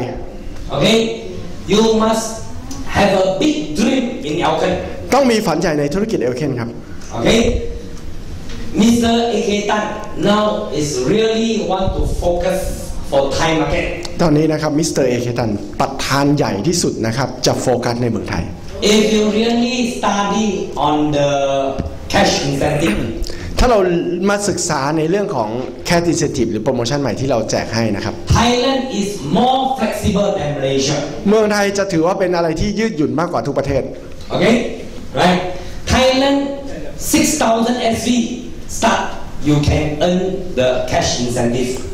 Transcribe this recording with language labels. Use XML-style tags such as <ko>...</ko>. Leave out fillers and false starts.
<en>okay you must have a big dream in Elken</en> <th>ต้องมีฝันใหญ่ในธุรกิจ Elken ครับ</th> <en>โอเคMr. AK Tan now is really want to focus for Thai market.</en> <th>ตอนนี้นะครับ Mr. AK Tan ปัตทานใหญ่ที่สุดนะครับจะโฟกัสในเมืองไทย</th> <en>If you really study on the cash incentive</en> <th>ถ้าเรามาศึกษาในเรื่องของ cash incentive หรือโปรโมชั่นใหม่ที่เราแจกให้นะครับ</th> <en>Thailand is more flexible than Malaysia</en> <th>เมืองไทยจะถือว่าเป็นอะไรที่ยืดหยุ่นมากกว่าทุกประเทศ</th> <en>Okay right Thailand 6,000 SVstart you can earn the cash incentive</en>